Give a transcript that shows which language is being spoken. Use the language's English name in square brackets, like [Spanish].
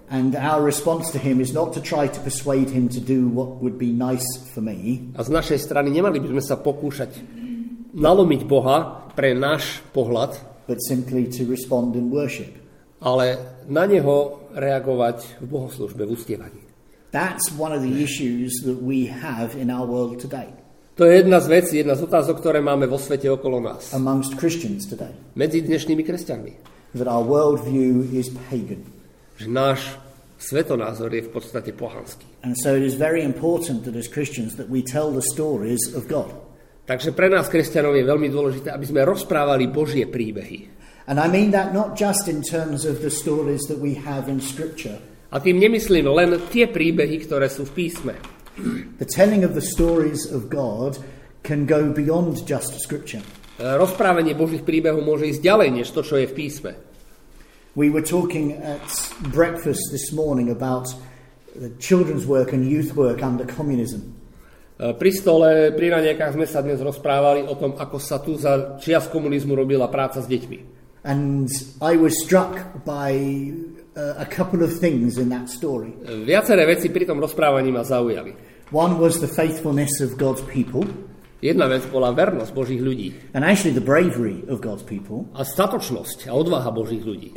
[English] And our response to him is not to try to persuade him to do what would be nice for me. [Slovak] A z našej strany nemali by sme sa pokúšať nalomiť Boha pre náš pohľad, [English] but simply to respond in worship. [Slovak] Ale na neho reagovať v bohoslužbe, v uctievaní. [English] That's one of the issues that we have in our world today. [Slovak] To je jedna z vecí, jedna z otázok, ktoré máme vo svete okolo nás. [English] Amongst Christians today. [Slovak] Medzi dnešnými kresťanmi. [English] That our world view is pagan. [Slovak] Že náš svetonázor je v podstate pohanský. [English] And so it is very important that as Christians that we tell the stories of God. [Slovak] Takže pre nás kresťanov je veľmi dôležité, aby sme rozprávali Božie príbehy. [English] And I mean that not just in terms of the stories that we have in scripture. [Slovak] A tým nemyslím len tie príbehy, ktoré sú v písme. [English] The telling of the stories of God can go beyond just scripture. [Slovak] Rozprávanie Božích príbehov môže ísť ďalej než to, čo je v písme. [English] We were talking at breakfast this morning about the children's work and youth work under communism. [Slovak] Pri stole, pri raňajkách sme sa dnes rozprávali o tom, ako sa tu za čias komunizmu robila práca s deťmi. [English] And I was struck by a couple of things in that story. [Slovak] Viaceré veci pri tom rozprávaní ma zaujali. [English] One was the faithfulness of God's people. [Slovak] Jedna vec bola vernosť Božích ľudí. [English] And actually the bravery of God's people. [Slovak] A statočnosť a odvaha Božích ľudí.